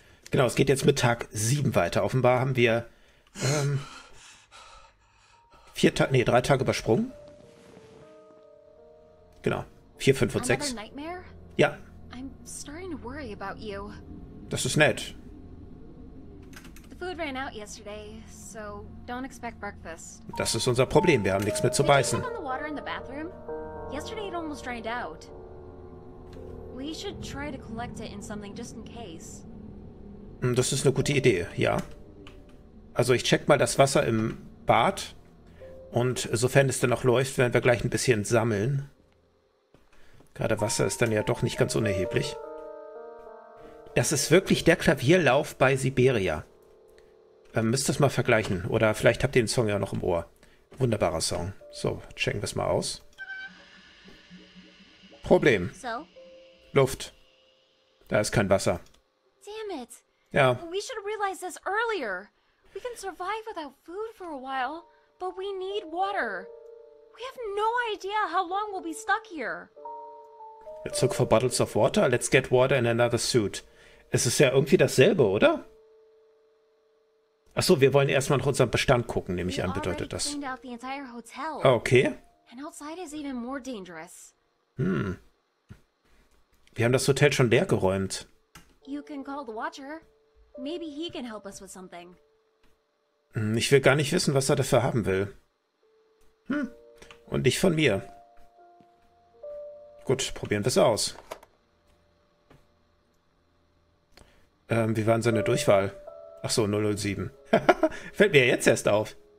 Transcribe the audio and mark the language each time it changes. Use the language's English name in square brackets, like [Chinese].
[German] Genau, es geht jetzt mit Tag 7 weiter. Offenbar haben wir drei Tage übersprungen. Genau, 4, 5 und 6. Ja. [English] I'm starting to worry about you. [German] Das ist nett. [English] The food ran out yesterday, so don't expect breakfast. [German] Das ist unser Problem, wir haben nichts mehr zu beißen. [English] Did you have the water in the bathroom? Yesterday it almost drained out. We should try to collect it in something just in case. [German] Das ist eine gute Idee, ja. Also ich check mal das Wasser im Bad. Und sofern es dann noch läuft, werden wir gleich ein bisschen sammeln. Gerade Wasser ist dann ja doch nicht ganz unerheblich. Das ist wirklich der Klavierlauf bei Siberia. Müsst das mal vergleichen. Oder vielleicht habt ihr den Song ja noch im Ohr. Wunderbarer Song. So, checken wir es mal aus. Problem. Luft. Da ist kein Wasser. [English] Damn it. [German] Ja. [English] We should have realized this earlier. We can survive without food for a while, but we need water. We have no idea how long we'll be stuck here. Let's look for bottles of water. Let's get water in another suit. [German] Es ist ja irgendwie dasselbe, oder? Achso, wir wollen erstmal nach unserem Bestand gucken, nehme ich an, bedeutet das. Okay. [English] And outside is even more dangerous. Hm. [German] Wir haben das Hotel schon leer geräumt. [English] You can call the watcher. Maybe he can help us with something. [German] Ich will gar nicht wissen, was er dafür haben will. Und nicht von mir. Gut, probieren wir es aus. Wie war denn seine Durchwahl? Ach so, 007. Fällt mir jetzt erst auf.